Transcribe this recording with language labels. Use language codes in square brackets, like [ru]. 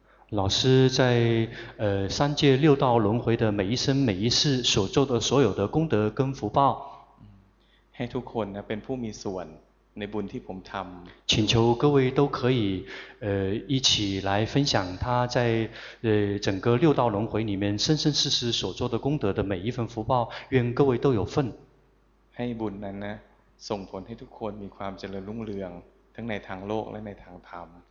[zh] 老师在三界六道轮回的每一生每一世所做的所有的功德跟福报 [th] ให้ทุกคนนะเป็นผู้มีส่วนในบุญที่ผมทำ [zh] 请求各位都可以一起来分享他在整个六道轮回里面生生世世所做的功德的每一份福报愿各位都有份 [th] ให้บุญนั้นนะส่งผลให้ทุกคนมีความเจริญรุ่งเรืองทั้งในทางโลกและในทางธรรม